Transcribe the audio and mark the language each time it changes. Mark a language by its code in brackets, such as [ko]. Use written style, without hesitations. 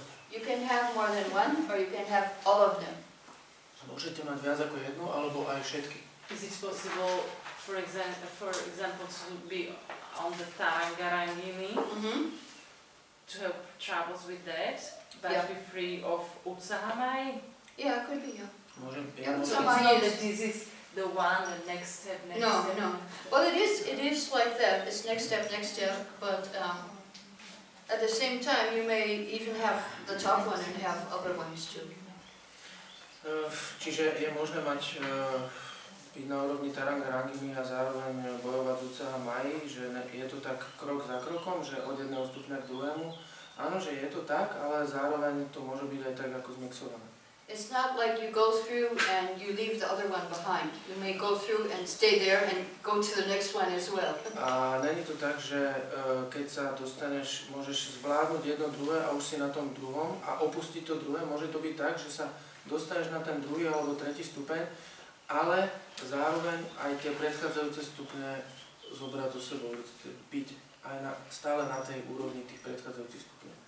[en] You can have more than one or you can have all of them. [sk] Môžete mať viac ako jednu alebo aj všetky. [en] Is it possible for example to be on the Tarangarangini, to have troubles with that, but be free of Utsahamai? Yeah, it could be, It is like that. It's next step, but at the same time you may even have the top one and have other ones too. [sk] Čiže je možné mať byť na úrovni Tarangarangimi a zároveň bojovať z Utsaha Mai, že je to tak krok za krokom, že od jedného stupňa k druhému. Áno, že je to tak, ale zároveň to môže byť aj tak ako zmixované. [en] It's not like you go through and you leave the other one behind. You may go through and stay there and go to the next one as well. [sk] A není to tak, že keď sa dostaneš, môžeš zvládnuť jedno druhé a už si na tom druhom a opustiť to druhé. Môže to byť tak, že sa dostaneš na ten druhý alebo tretí stupeň, ale zároveň aj tie predchádzajúce stupne zobrať do sebou, byť aj na, stále na tej úrovni tých predchádzajúcich stupňov.